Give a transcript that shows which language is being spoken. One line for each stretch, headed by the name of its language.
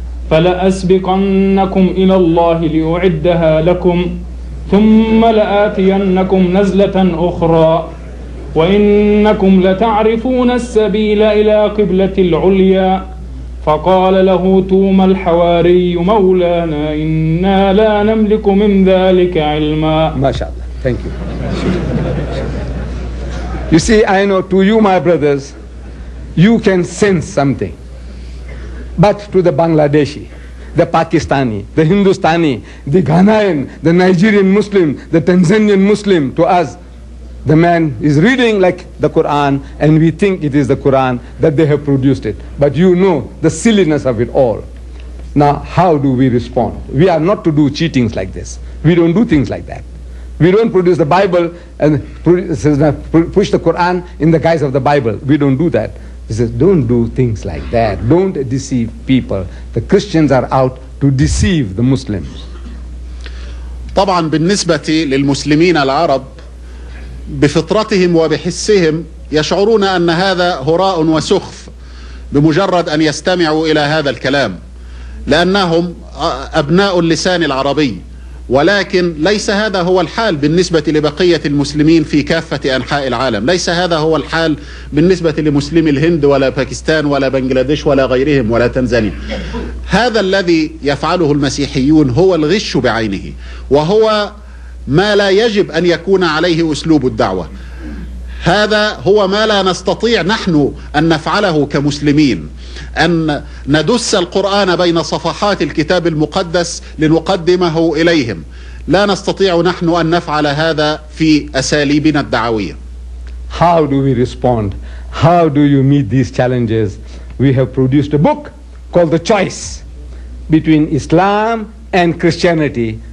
Arabic: فلأسبقنكم إلى الله لأعدها لكم ثم لآتينكم نزلة أخرى وإنكم لتعرفون السبيل إلى قبلة العليا فقال له توما الحواري مولانا إنا لا نملك من ذلك علما. ما شاء الله.
English: Thank you. You see, I know to you, my brothers, you can sense something. But to the Bangladeshi, the Pakistani, the Hindustani, the Ghanaian, the Nigerian Muslim, the Tanzanian Muslim to us. The man is reading like the Quran, and we think it is the Quran that they have produced it. But you know the silliness of it all. Now, how do we respond? We are not to do cheatings like this. We don't do things like that. We don't produce the Bible and push the Quran in the guise of the Bible. We don't do that. He says, don't do things like that. Don't deceive people. The Christians are out to deceive the Muslims.
Arabic: طبعا بالنسبة للمسلمين العرب بفطرتهم وبحسهم يشعرون أن هذا هراء وسخف بمجرد أن يستمعوا إلى هذا الكلام، لأنهم أبناء اللسان العربي. ولكن ليس هذا هو الحال بالنسبة لبقية المسلمين في كافة أنحاء العالم. ليس هذا هو الحال بالنسبة لمسلم الهند ولا باكستان ولا بنغلاديش ولا غيرهم ولا تنزانيا. هذا الذي يفعله المسيحيون هو الغش بعينه، وهو ما لا يجب أن يكون عليه أسلوب الدعوة. هذا هو ما لا نستطيع نحن أن نفعله كمسلمين، أن ندس القرآن بين صفحات الكتاب المقدس لنقدمه إليهم. لا نستطيع نحن أن نفعل هذا في أساليبنا الدعوية.
English: How do we respond? How do you meet these challenges? We have produced a book called The Choice between Islam and Christianity.